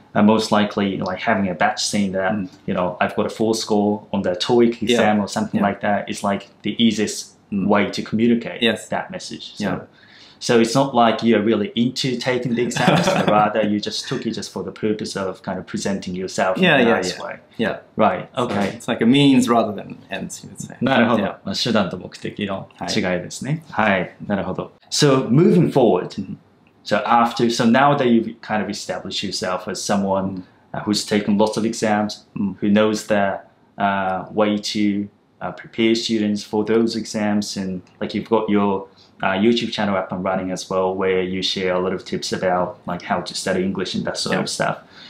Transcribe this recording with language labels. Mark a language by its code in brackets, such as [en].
[en] And most likely like having a badge saying that, you know, I've got a full score on the TOEIC exam or something like that is like the easiest way to communicate that message. So, so it's not like you're really into taking the exams, but rather you just took it just for the purpose of kind of presenting yourself in a nice way. Yeah. Right. Okay. So it's like a means rather than ends, you would say. [ja] なるほど。まあ、手段と目的の違いですね。はい。なるほど。 [en] So moving forward, so after, so now that you've kind of established yourself as someone who's taken lots of exams, who knows the way to prepare students for those exams, and like you've got your YouTube channel up and running as well, where you share a lot of tips about like how to study English and that sort of stuff.